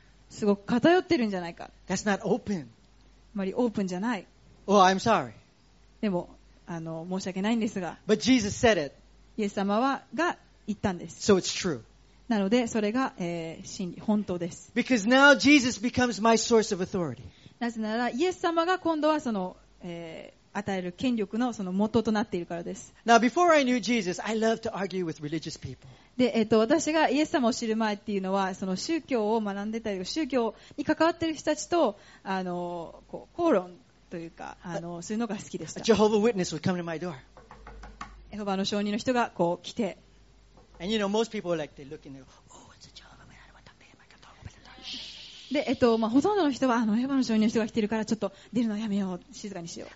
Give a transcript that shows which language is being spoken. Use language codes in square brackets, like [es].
[ja] すごく偏ってるんじゃないか。 [en] That's not open. [ja] あまりオープンじゃない。 [en] Oh, I'm sorry. [ja] でも申し訳ないんですが。 [en] But Jesus said it. [ja] イエス様はが言ったんです。 [en] So it's true. [ja] なのでそれが、真理、本当です。 [en] Because now Jesus becomes my source of authority. [ja] なぜならイエス様が今度はその、与える権力のその元となっているからです。 [en] Now before I knew Jesus, I loved to argue with religious people. [ja] で、私がイエス様を知る前っていうのは、その宗教を学んでたり、宗教に関わってる人たちと、こう、口論というか、そういうのが好きでした。 [en] Jehovah Witness would come to my door. [ja] エホバの証人の人がこう来て。 [en] And you know, most people like, they look and they go, oh, it's a Jehovah Witness. I don't want to talk to him. I can't [ja] で、まあ、ほとんどの人はあのエホバの証人の人が来ているからちょっと出るのやめよう、静かにしよう。